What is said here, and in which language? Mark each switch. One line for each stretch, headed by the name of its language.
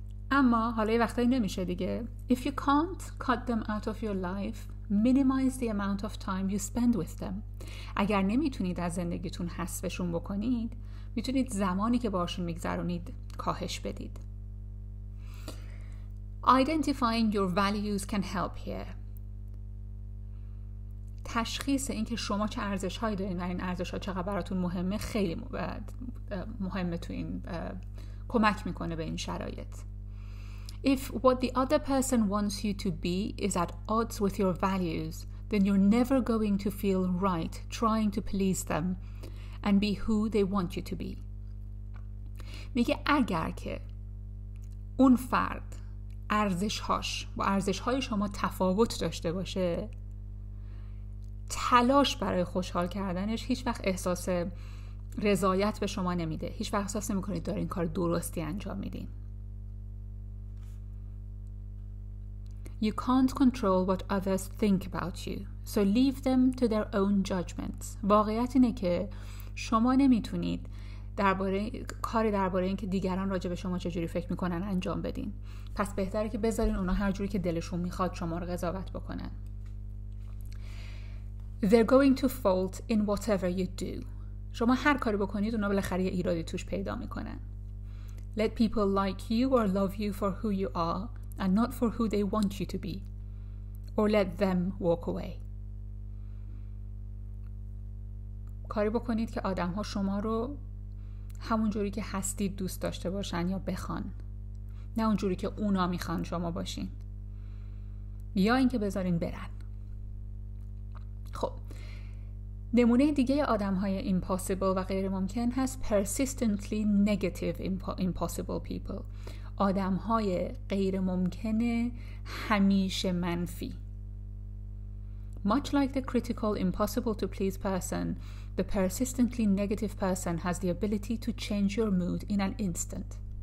Persian: اما حالا یه وقتایی نمیشه دیگه.
English: If you can't cut them out of your life, minimize the amount of time you spend with them.
Persian: اگر نمیتونید از زندگیتون حذفشون بکنید، میتونید زمانی که باهاشون میگذرونید کاهش بدید.
English: Identifying your values can help here.
Persian: تشخیص اینکه شما چه ارزشهایی دارین و این ارزشها چقدر براتون مهمه خیلی مهمه تو این، کمک میکنه به این شرایط.
English: If what the other person wants you to be is at odds with your values, then you're never going to feel right trying to please them and be who they want you to be.
Persian: میگه اگر که اون فرد ارزش‌هاش با ارزش‌های شما تفاوت داشته باشه، تلاش برای خوشحال کردنش هیچ وقت احساس رضایت به شما نمیده. هیچ وقت احساس نمی‌کنید دارین کار درستی انجام میدین.
English: You can't control what others think about you, so leave them to their own judgments.
Persian: واقعیت اینه که شما نمیتونید درباره اینکه دیگران راجع به شما چجوری فکر میکنن انجام بدین. پس بهتره که بذارین اونا هر جوری که دلشون میخواد شما رو قضاوت بکنن.
English: They're going to fault in whatever you do.
Persian: شما هر کاری بکنید اونا بالاخره یه ایرادی توش پیدا میکنن.
English: Let people like you or love you for who you are and not for who they want you to be. Or let them walk away.
Persian: کاری بکنید که آدم‌ها شما رو همون جوری که هستید دوست داشته باشن یا بخوان. نه اون جوری که اونا میخوان شما باشین. یا اینکه بذارین برن. خب. نمونه دیگه آدم‌های impossible و غیر ممکن هست
English: persistently negative impossible people.
Persian: آدم‌های غیر ممکن همیشه منفی. Much like the critical impossible to please person, the persistently negative person has the ability to change your mood in an instant.